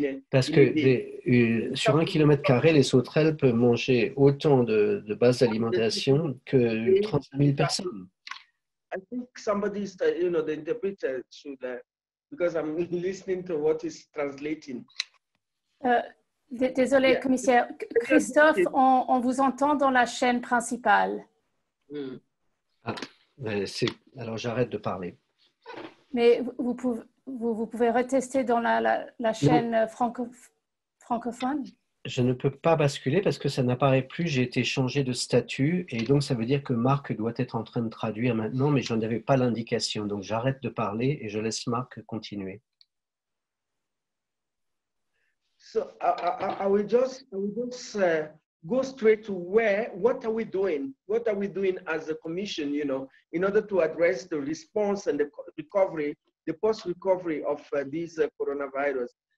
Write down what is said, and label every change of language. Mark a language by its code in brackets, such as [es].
[fr] Parce que sur 1 kilomètre carré, les sauterelles peuvent manger autant de bases d'alimentation que 30,000 personnes. [en] I think somebody, you know, the interpreter should, because I'm listening to what is translating. [fr] Désolé, yeah. Commissaire. Christophe, on vous entend dans la chaîne principale. Mm. Ah, c'est, alors j'arrête de parler. Mais vous pouvez retester dans la chaîne francophone. Je ne peux pas basculer parce que ça n'apparaît plus. J'ai été changé de statut et donc ça veut dire que Marc doit être en train de traduire maintenant, mais je n'en avais pas l'indication. Donc j'arrête de parler et je laisse Marc continuer. [en] So I will just go straight to where, what are we doing? What are we doing as a commission, you know, in order to address the response and the recovery, the post-recovery of these coronavirus?